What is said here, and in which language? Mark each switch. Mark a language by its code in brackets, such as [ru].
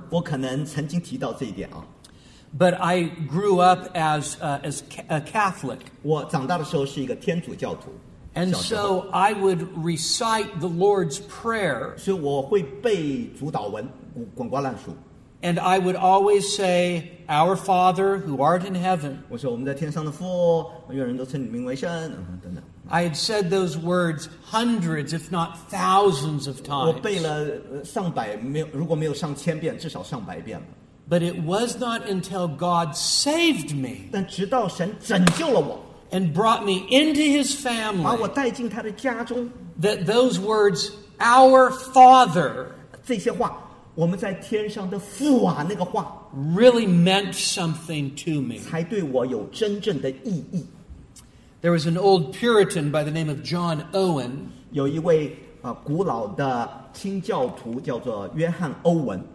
[zh] 我可能曾经提到这一点啊, [en] but I grew up as a Catholic. [zh] 我长大的时候是一个天主教徒。 [en] And so I would recite the Lord's Prayer. [zh] 所以我会背主导文,滚瓜烂熟, [en] and I would always say, Our Father who art in heaven. [zh] 我说我们在天上的父, 愿人都称你名为圣, 等等。 [en] I had said those words hundreds, if not thousands of times. [zh] 我背了上百, 如果没有上千遍, 至少上百遍。 [en] But it was not until God saved me. [zh] 但直到神拯救了我, [en] and brought me into his family, [zh] 把我带进他的家中, [en] that those words, Our Father, [zh] 这些话, 我们在天上的父啊, 那个话, [en] really meant something to me. [zh] 才对我有真正的意义。 [en] There was an old Puritan by the name of John Owen. [zh] 有一位, 古老的清教徒, 叫做约翰欧文。